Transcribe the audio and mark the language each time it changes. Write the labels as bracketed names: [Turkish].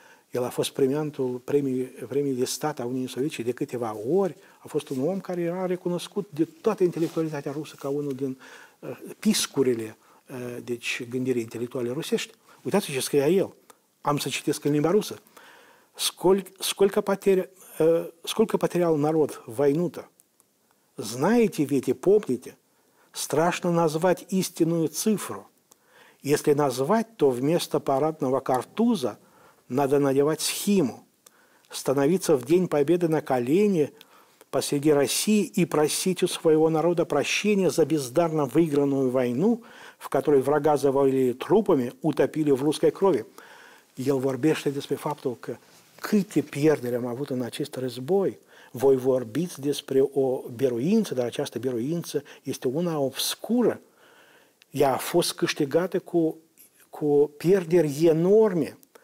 [Romanian] El a fost premiantul premiului de stat a Uniunii Sovietice de câteva ori. A fost un om care era recunoscut de toată intelectualitatea rusă ca unul din piscurile deci gândirii intelectuale rusești. Uitați-vă ce scria el. Am să citesc în limba rusă. [Russian] Сколько потерял народ войну-то? Знаете ведь и помните, страшно назвать истинную цифру. Если назвать, то вместо парадного картуза надо надевать схиму, становиться в день победы на колени посреди России и просить у своего народа прощения за бездарно выигранную войну, в которой врага завалили трупами, утопили в русской крови. [Romanian] El vorbește despre faptul că câte pierderi am avut în acest război. Voi vorbiți despre o biruință, dar această biruință este una obscură. Ea a fost câștigată cu pierderi enorme.